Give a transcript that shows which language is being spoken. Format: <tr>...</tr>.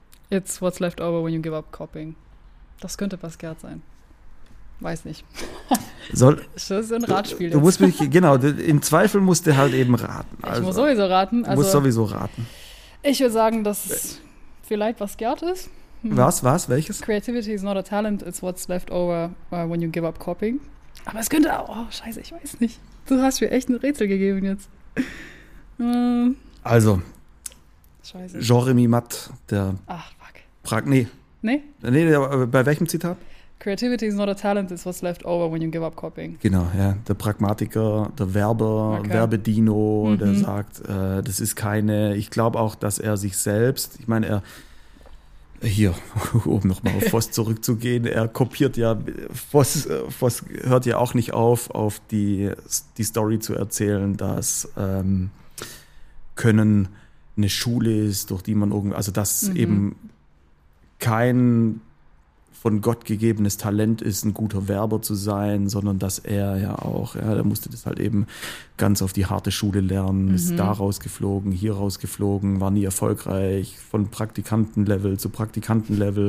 <en>It's what's left over when you give up copying.</en> <de>Das könnte Basquiat sein. weiß nicht. Soll, das ist ein Ratspiel. Du musst mich, genau, im Zweifel musst du halt eben raten. Also, ich muss sowieso raten. Also, musst sowieso raten. Ich würde sagen, dass es vielleicht was Gert ist. Was? Welches?</de> <en>Creativity is not a talent, it's what's left over when you give up copying.</en> <de>Aber es könnte auch, oh scheiße, ich weiß nicht. Du hast mir echt ein Rätsel gegeben jetzt. Also, scheiße. Jean-Rémy Matt, der... Ach, fuck. Nee, bei welchem Zitat?</de> <en>Creativity is not a talent, it's what's left over when you give up copying.</en> <de>Genau, ja. Der Pragmatiker, der Werber, okay. Werbedino, mhm. Der sagt, das ist keine... Ich glaube auch, dass er sich selbst... Ich meine, er... Hier, um nochmal auf Voss zurückzugehen. Er kopiert ja, Voss hört ja auch nicht auf die Story zu erzählen, dass Können eine Schule ist, durch die man irgendwie, also dass eben kein von Gott gegebenes Talent ist, ein guter Werber zu sein, sondern dass er ja auch, ja, der musste das halt eben ganz auf die harte Schule lernen, ist da rausgeflogen, hier rausgeflogen, war nie erfolgreich, von Praktikantenlevel zu Praktikantenlevel.</de>